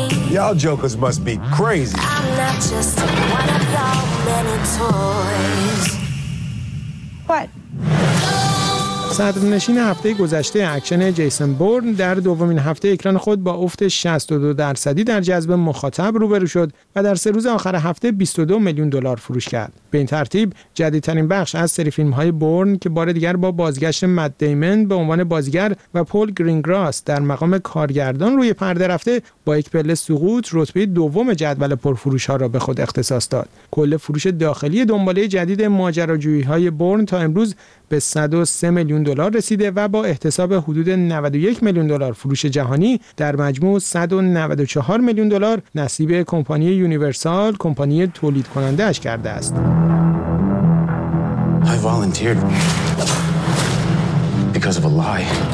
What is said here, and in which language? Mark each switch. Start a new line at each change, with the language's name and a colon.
English: Y'all jokers must be crazy. I'm not just one of y'all many toys. What?
Persian: صدرنشین هفته گذشته اکشن جیسون بورن در دومین هفته اکران خود با افت 62% در جذب مخاطب روبرو شد و در سه روز آخر هفته 22 میلیون دلار فروش کرد. به این ترتیب جدیدترین بخش از سری فیلم‌های بورن که بار دیگر با بازگشت مت دیمن به عنوان بازیگر و پول گرینگراس در مقام کارگردان روی پرده رفته با یک پله سقوط رتبه دوم جدول پرفروش‌ها را به خود اختصاص داد. کل فروش داخلی دنباله جدید ماجراجویی‌های بورن تا امروز به 103 میلیون دلار رسیده و با احتساب حدود 91 میلیون دلار فروش جهانی در مجموع 194 میلیون دلار نصیب کمپانی یونیورسال، کمپانی تولید کننده اش کرده است.
English: I volunteered because of a lie.